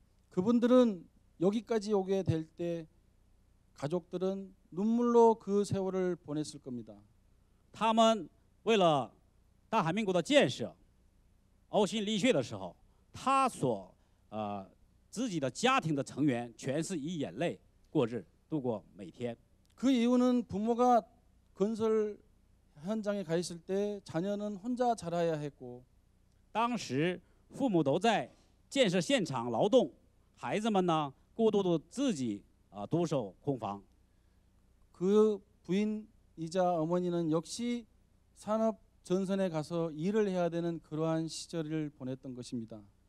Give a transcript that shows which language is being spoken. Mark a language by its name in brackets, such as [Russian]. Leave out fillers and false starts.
[Korean] 그분들은 여기까지 오게 될 때 가족들은 눈물로 그 세월을 보냈을 겁니다. [Chinese] 他们为了大韩民国的建设呕心沥血的时候他所自己的家庭的成员全是以眼泪过日度过每天 [Korean] 그 이유는 부모가 건설 현장에 가 있을 때 자녀는 혼자 자라야 했고 당시 부모도 [Chinese] 在 建设现场劳动 孩子们呢，孤独的自己啊，独守空房。 [Korean] 그 부인이자 어머니는 역시 산업 전선에 가서 일을 해야 되는 그러한 시절을 보냈던 것입니다.